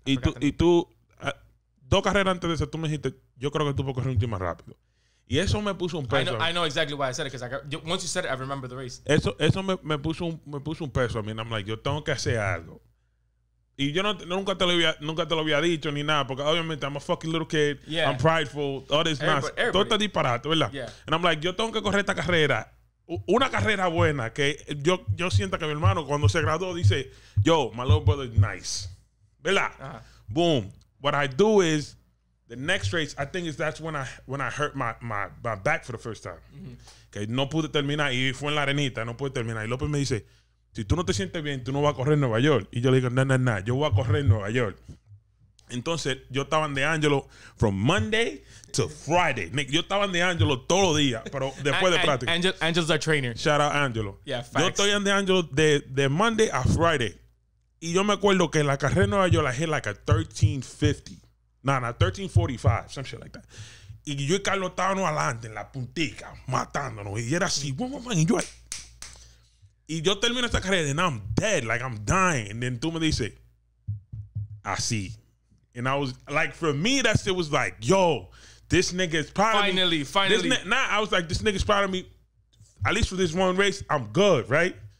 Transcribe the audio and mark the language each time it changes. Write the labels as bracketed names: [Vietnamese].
[Spanish] Y tú, dos carreras antes de eso, tú me dijiste, yo creo que tú puedes correr un chingo más rápido. Y eso me puso un peso. [English] I know exactly why I said it, because once you said it, I remember the race. [Spanish] Eso me puso un peso a mí. [English] And I'm like, [Spanish] yo tengo que hacer algo. Y yo nunca te lo había dicho ni nada, porque obviamente [English] I'm a fucking little kid. Yeah. I'm prideful. All this nonsense. [Spanish] Todo está disparado, ¿verdad? [English] Yeah. And I'm like, [Spanish] yo tengo que correr esta carrera. Una carrera buena, que yo siento que mi hermano cuando se graduó dice, yo, [English] my little brother is nice. [Spanish] ¿Verdad? Uh-huh. Boom. [English] What I do is, the next race, I think that's when I hurt my back for the first time. [Spanish] Okay, mm-hmm. No pude terminar y fue en la arenita, no pude terminar. Y López me dice, si tú no te sientes bien, tú no vas a correr en Nueva York. Y yo le digo, no, yo voy a correr en Nueva York. Entonces, yo estaba en De Angelo [English] from Monday to Friday. [Spanish] Yo estaba en De Angelo todos los días, pero después de práctica. [English] Angelo's our trainer. Shout out Angelo. Yeah, facts. [Spanish] Yo estoy en De Angelo de Monday a Friday. Y yo me acuerdo que en la carrera en Nueva York [English] I hit like a 13:50. Nah, 13:45, some shit like that. [Spanish] Y yo y Carlos estábamos adelante en la puntica, matándonos. Y era así, boom, boom, boom, y yo ahí. Y yo termino esta carrera [English] and I'm dead, like I'm dying. And then [Spanish] tú me dices, así. [English] And I was like, for me, that shit was like, yo, this nigga is proud of me. Finally, finally. Nah, I was like, this nigga's proud of me. At least for this one race, I'm good, right?